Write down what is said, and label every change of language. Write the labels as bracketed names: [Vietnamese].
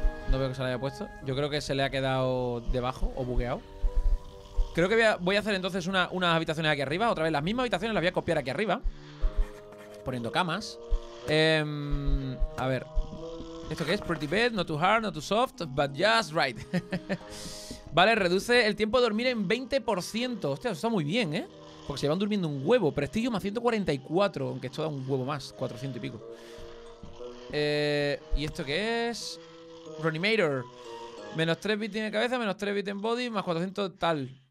[Spanish] No veo que se la haya puesto. Yo creo que se le ha quedado debajo o bugueado. Creo que voy a hacer entonces unas habitaciones aquí arriba. Otra vez, las mismas habitaciones las voy a copiar aquí arriba. Poniendo camas. A ver. ¿Esto qué es? [English] Pretty bed, not too hard, not too soft, but just right. [Spanish] Vale, reduce el tiempo de dormir en 20%. Hostia, eso está muy bien, ¿eh? Porque se van durmiendo un huevo. Prestigio más 144. Aunque esto da un huevo más. 400 y pico. ¿Y esto qué es? Reanimator. Menos 3 bits en cabeza, menos 3 bits en body, más 400 tal.